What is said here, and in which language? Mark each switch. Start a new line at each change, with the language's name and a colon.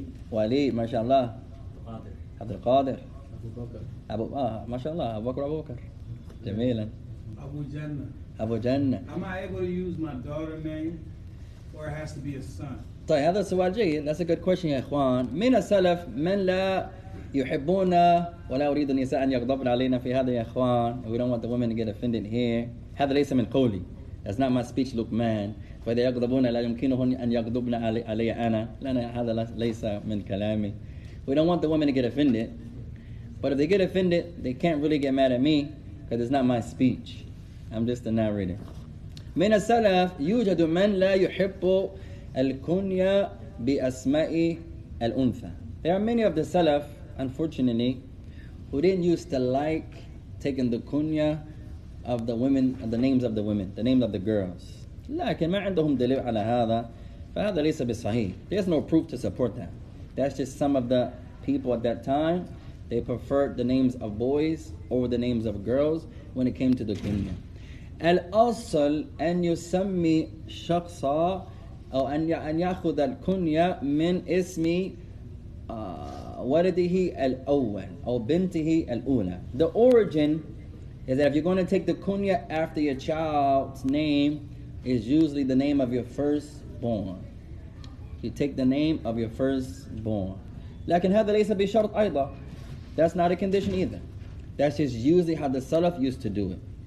English: Walid, mashallah. Abdul Qadir. Abu Bakr. Mashallah, Abu Bakr, Abu Bakr. Jameel. Abu Jannah. Abu Jannah. Am I able to use my daughter name, or it has to be a son?
Arabic: طيب, هذا سؤال جيد.
English: That's a good question, ikhwan.
Arabic: من السلف من لا يحبونا ولا أريد النساء أن يغضبن علينا في هذا يا إخوان.
English: We don't want the women to get offended here.
Arabic: هذا ليس من قولي.
English: That's not my speech, Luqman.
Arabic: فإذا يغضبون لا يمكنهم أن يغضبن علي أنا. لأن هذا ليس من كلامي.
English: We don't want the women to get offended. But if they get offended, they can't really get mad at me because it's not my speech. I'm just the narrator.
Arabic: من السلف يوجد من لا يحب الكنية بأسماء الأنثى.
English: There are many of the Salaf, unfortunately, who didn't used to like taking the kunya of the women, the names of the women, the names of the girls.
Arabic: لكن ما عندهم دليل على هذا فهذا ليس بالصحيح.
English: There's no proof to support that. That's just some of the people at that time, they preferred the names of boys over the names of girls when it came to the kunya.
Arabic: الأصل أن يسمي شخصا أو أن يأخذ الكنية من اسمي وَلَدِهِ الْأَوَّلِ أَوْ بِنْتِهِ الْأُولَى.
English: The origin is that if you're going to take the kunya after your child's name, is usually the name of your firstborn. You take the name of your firstborn.
Arabic: لكن هذا ليس بشرط أيضا.
English: That's not a condition either. That's just usually how the Salaf used to do it.